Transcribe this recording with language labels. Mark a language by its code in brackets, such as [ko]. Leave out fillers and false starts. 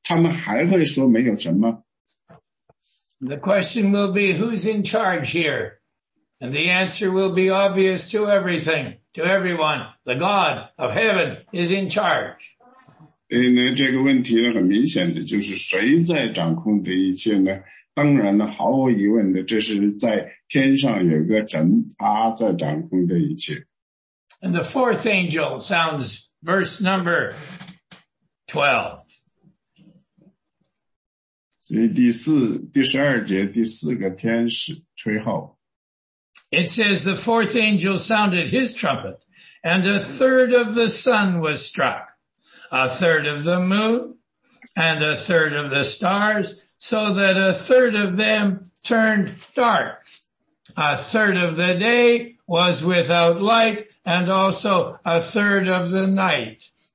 [zh] 因为那是一样的，当天上愤怒的时候，天上会降下那些冰雹啊，带着血了，还有毒啊，然后那个天上会扔下一个带着火的大山到海里，然后天上也会降下那个流星，那个新的名叫阴沉的那样的毒物到所有的水上。你认为那个时候他们还会说没有什么？ [en] The question will be, who's in charge here? And the answer will be obvious to everything. to everyone, the God of heaven is in charge. [zh] 那这个问题很明显的就是谁在掌控这一切呢? 当然了，毫无疑问的，这是在天上有个神，他在掌控这一切。 [en] And the fourth angel sounds verse number 12. [zh] 所以第十二节第四个天使吹号。 [en] It says the fourth angel sounded his trumpet, and a third of the sun was struck, a third of the moon, and a third of the stars, so that a third of them turned dark. A third of the day was without light, and also a third of the night.